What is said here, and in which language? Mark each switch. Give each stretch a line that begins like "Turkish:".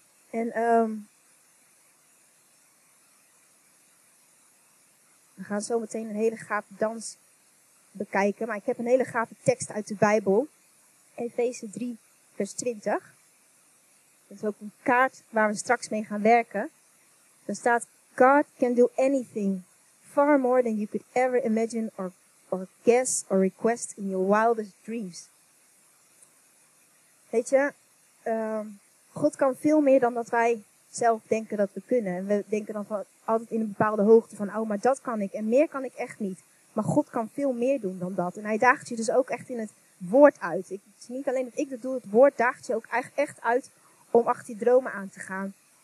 Dutch: En, we gaan zo meteen een hele gaaf dans bekijken, maar ik heb een hele gave tekst uit de Bijbel. Efeze 3, vers 20. Dat is ook een kaart waar we straks mee gaan werken. Daar staat,
English: God can do anything far more than you could ever imagine or guess or request in your wildest dreams.
Dutch: Weet je, God kan veel meer dan dat wij zelf denken dat we kunnen. En we denken dan altijd in een bepaalde hoogte van, oh, maar dat kan ik en meer kan ik echt niet. Maar God kan veel meer doen dan dat. En hij daagt je dus ook echt in het woord uit. Het is niet alleen dat ik dat doe, het woord daagt je ook echt uit om achter die dromen aan te gaan.